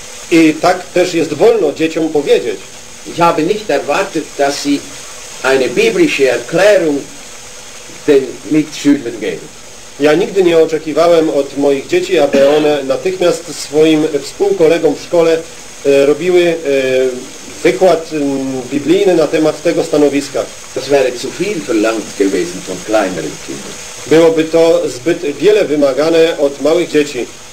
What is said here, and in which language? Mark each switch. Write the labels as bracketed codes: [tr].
[pl] I tak też jest wolno dzieciom powiedzieć. [de] Ich habe nicht erwartet, dass sie eine biblische Erklärung den Mitschülern geben. [pl] Ja nigdy nie oczekiwałem od moich dzieci, aby one natychmiast swoim współkolegom w szkole robiły wykład biblijny na temat tego stanowiska. [de] Das wäre zu viel verlangt gewesen von kleineren Kindern. [pl] Byłoby to zbyt wiele wymagane od małych dzieci.